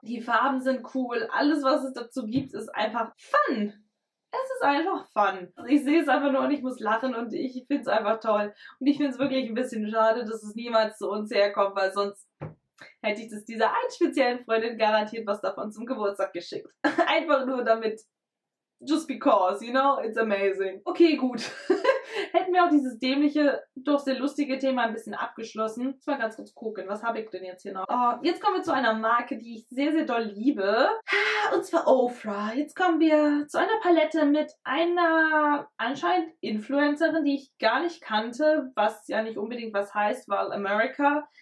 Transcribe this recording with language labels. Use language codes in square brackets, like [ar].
[de] Die Farben sind cool. Alles, was es dazu gibt, ist einfach fun. Es ist einfach fun. Ich sehe es einfach nur und ich muss lachen und ich finde es einfach toll. Und ich finde es wirklich ein bisschen schade, dass es niemals zu uns herkommt, weil sonst hätte ich das dieser einen speziellen Freundin garantiert was davon zum Geburtstag geschickt. Einfach nur damit, [en] just because, you know, it's amazing. [de] Okay, gut. Hätten wir auch dieses dämliche, doch sehr lustige Thema ein bisschen abgeschlossen. Jetzt mal ganz kurz gucken, was habe ich denn jetzt hier noch? Oh, jetzt kommen wir zu einer Marke, die ich sehr, sehr doll liebe. Und zwar Ofra. Jetzt kommen wir zu einer Palette mit einer anscheinend Influencerin, die ich gar nicht kannte, was ja nicht unbedingt was heißt, weil America.